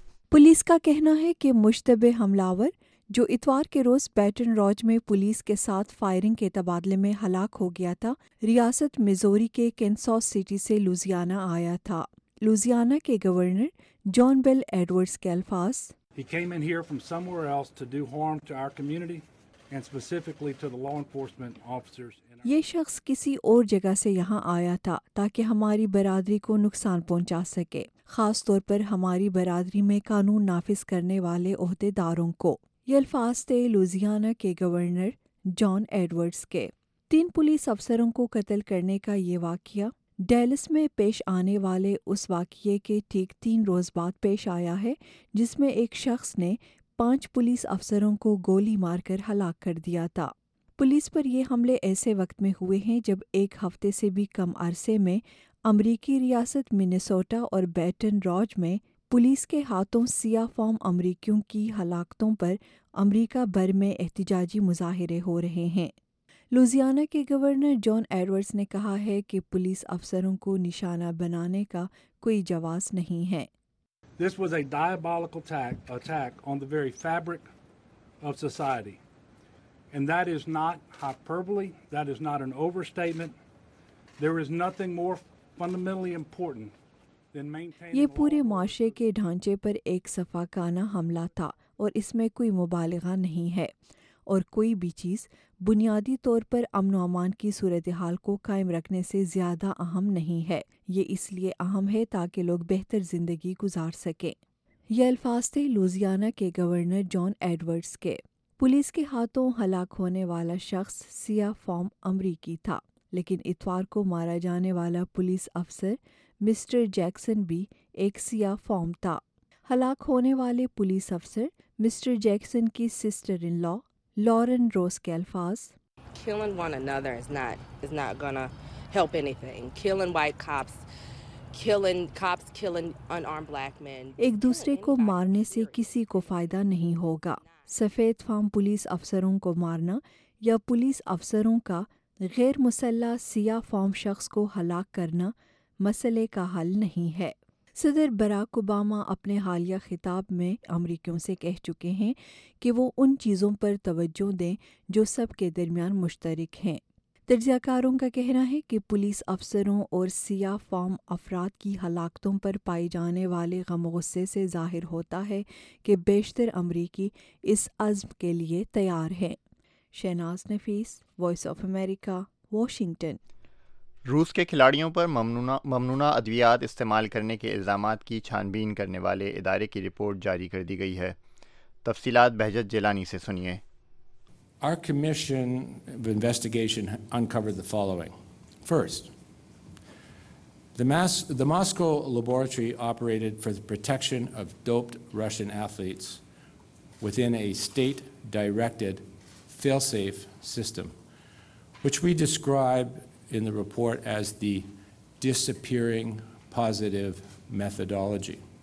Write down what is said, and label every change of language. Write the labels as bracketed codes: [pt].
[ur] Police کا کہنا ہے کہ مشتبہ حملہور جو اتوار کے روز بیٹن روج میں پولیس کے ساتھ فائرنگ کے تبادلے میں ہلاک ہو گیا تھا، ریاست میزوری کے کینساس سٹی سے لوزیانا آیا تھا. لوزیانا کے گورنر جان بیل ایڈورڈز کے الفاظ، [en] He came in here from somewhere else to do harm to our community and specifically to the law enforcement officers. [ur] یہ شخص کسی اور جگہ سے یہاں آیا تھا تاکہ ہماری برادری کو نقصان پہنچا سکے، خاص طور پر ہماری برادری میں قانون نافذ کرنے والے عہدے داروں کو. یہ الفاظ تھے لوزیانا کے گورنر جان ایڈورڈز کے. 3 پولیس افسروں کو قتل کرنے کا یہ واقعہ ڈیلس میں پیش آنے والے اس واقعے کے ٹھیک 3 روز بعد پیش آیا ہے، جس میں ایک شخص نے 5 پولیس افسروں کو گولی مار کر ہلاک کر دیا تھا۔ پولیس پر یہ حملے ایسے وقت میں ہوئے ہیں جب ایک ہفتے سے بھی کم عرصے میں امریکی ریاست منیسوٹا اور بیٹن روج میں پولیس کے ہاتھوں سیاہ فام امریکیوں کی ہلاکتوں پر امریکہ بھر میں احتجاجی مظاہرے ہو رہے ہیں۔ لوزیانا کے گورنر جان ایڈورڈز نے کہا ہے کہ پولیس افسروں کو نشانہ بنانے کا کوئی جواز نہیں ہے۔ [en] This was a diabolical attack on the very fabric of society. And that is not hyperbole, that is not an overstatement. There is nothing more fundamentally important than maintaining [ur] یہ پورے معاشرے کے ڈھانچے پر ایک صفاکانہ حملہ تھا اور اس میں کوئی مبالغہ نہیں ہے، اور کوئی بھی چیز بنیادی طور پر امن و امان کی صورتحال کو قائم رکھنے سے زیادہ اہم نہیں ہے۔ یہ اس لیے اہم ہے تاکہ لوگ بہتر زندگی گزار سکیں۔ یہ الفاظ تھے لوزیانا کے گورنر جان ایڈورڈز کے۔ پولیس کے ہاتھوں ہلاک ہونے والا شخص سیاہ فام امریکی تھا، لیکن اتوار کو مارا جانے والا پولیس افسر مسٹر جیکسن بھی ایک سیاہ فام تھا۔ ہلاک ہونے والے پولیس افسر مسٹر جیکسن کی سسٹر ان لا لارن روس کے الفاظ، [en] Killing one another is not gonna help anything. Killing white cops, killing unarmed black men. [ur] ایک دوسرے کو مارنے سے کسی کو فائدہ نہیں ہوگا۔ سفید فام پولیس افسروں کو مارنا یا پولیس افسروں کا غیر مسلح سیاہ فام شخص کو ہلاک کرنا مسئلے کا حل نہیں ہے۔ صدر باراک اوباما اپنے حالیہ خطاب میں امریکیوں سے کہہ چکے ہیں کہ وہ ان چیزوں پر توجہ دیں جو سب کے درمیان مشترک ہیں۔ تجزیہ کاروں کا کہنا ہے کہ پولیس افسروں اور سیاہ فام افراد کی ہلاکتوں پر پائے جانے والے غم غصے سے ظاہر ہوتا ہے کہ بیشتر امریکی اس عزم کے لیے تیار ہیں۔ شہناز نفیس، وائس آف امریکہ، واشنگٹن۔ روس کے کھلاڑیوں پر ممنوعہ ادویات استعمال کرنے کے الزامات کی چھان بین کرنے والے ادارے کی رپورٹ جاری کر دی گئی ہے۔ تفصیلات بہجت جیلانی سے سنیے۔ [en] Our commission of investigation uncovered the following. First, the Moscow laboratory operated for the protection of doped Russian athletes within a state-directed fail-safe system, which we describe in the report as the disappearing positive methodology.